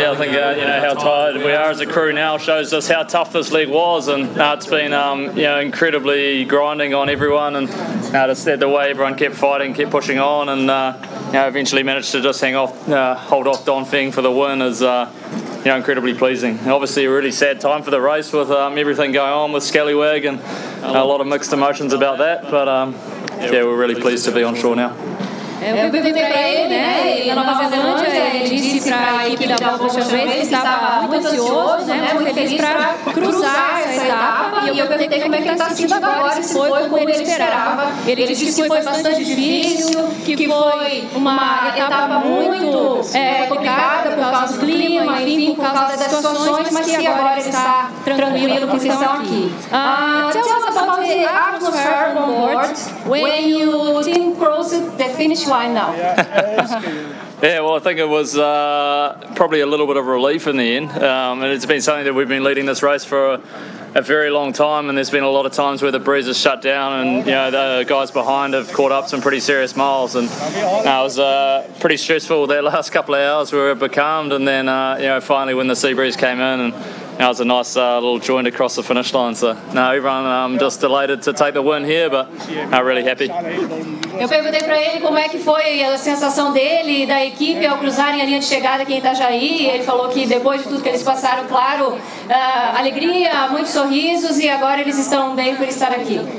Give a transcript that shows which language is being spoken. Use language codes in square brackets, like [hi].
[en] I think how tired we are as a crew now shows us how tough this leg was, and it's been incredibly grinding on everyone, and the way everyone kept fighting, kept pushing on, and eventually managed to just hold off Dongfeng for the win is incredibly pleasing. And obviously, a really sad time for the race with everything going on with Skellywig and a lot of mixed emotions about that, but we're really pleased to be on shore now. [pt] Eu fui perguntar para ele, né, na Nova Zelândia, ele disse para a equipe da Volvo que estava muito ansioso, né, muito feliz para cruzar essa etapa, e eu perguntei como é que ele está se sentindo agora, se foi como ele esperava. Ele disse que foi bastante difícil, que foi uma etapa muito complicada por causa do clima, enfim, por causa das situações, mas que agora ele está tranquilo que vocês estão aqui. [en] Tell us about the atmosphere on board when you team crossed the finish line now. Yeah, well, I think it was probably a little bit of relief in the end, and it's been something that we've been leading this race for a very long time, and there's been a lot of times where the breeze has shut down and the guys behind have caught up some pretty serious miles, and it was pretty stressful that last couple of hours where we were becalmed, and then finally when the sea breeze came in and that was a nice little joint across the finish line. So now everyone just delighted to take the win here, but I'm really happy. [pt] Eu perguntei para ele como é que foi a sensação dele e da equipe ao cruzarem a linha de chegada aqui em Itajaí. Ele falou que depois de tudo que eles passaram, claro, alegria, muitos sorrisos e agora eles estão bem por estar aqui.